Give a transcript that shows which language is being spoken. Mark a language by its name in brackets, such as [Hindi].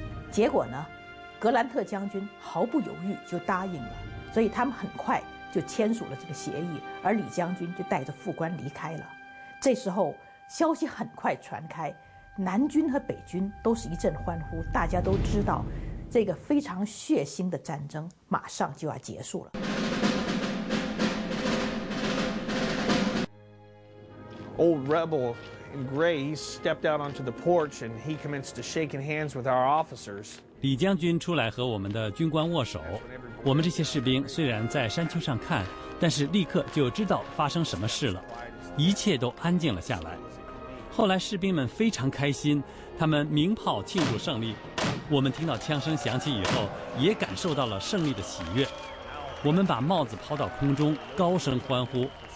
[Chinese] 结果呢，格兰特将军毫不犹豫就答应了，所以他们很快就签署了这个协议，而李将军就带着副官离开了。这时候消息很快传开，南军和北军都是一阵欢呼，大家都知道这个非常血腥的战争马上就要结束了。 [English] Old rebel in gray stepped out onto the porch and he commenced to shaking hands with our officers. [Chinese] 李将军出来和我们的军官握手，我们这些士兵虽然在山丘上看，但是立刻就知道发生什么事了，一切都安静了下来。后来士兵们非常开心，他们鸣炮庆祝胜利，我们听到枪声响起以后也感受到了胜利的喜悦，我们把帽子抛到空中高声欢呼。